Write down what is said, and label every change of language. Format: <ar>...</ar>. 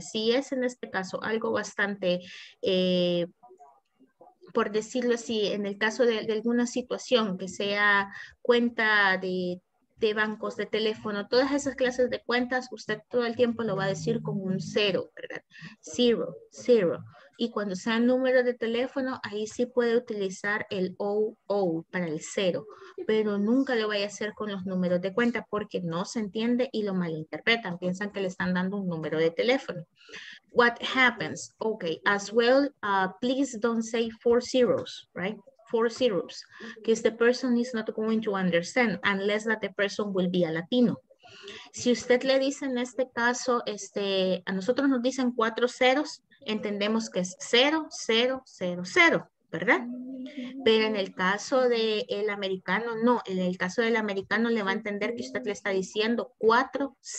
<es>Si es en este caso algo bastante, por decirlo así, en el caso de alguna situación que sea cuenta de bancos, de teléfono, todas esas clases de cuentas, usted todo el tiempo lo va a decir con un cero, ¿verdad?</es> <en>Zero, zero.</en> <es>y cuando sea número de teléfono, ahí sí puede utilizar el OO para el cero, pero nunca lo vaya a hacer con los números de cuenta porque no se entiende y lo malinterpretan. Piensan que le están dando un número de teléfono.</es> <en>What happens? Okay, as well, please don't say four zeros, right? Four zeros, because the person is not going to understand unless that the person will be a Latino.</en> <es>Si usted le dice en este caso, a nosotros nos dicen cuatro ceros, entendemos que es cero, cero, cero, cero, ¿verdad? Pero en el caso del americano, no. En el caso del americano le va a entender que usted le está diciendo 40.</es>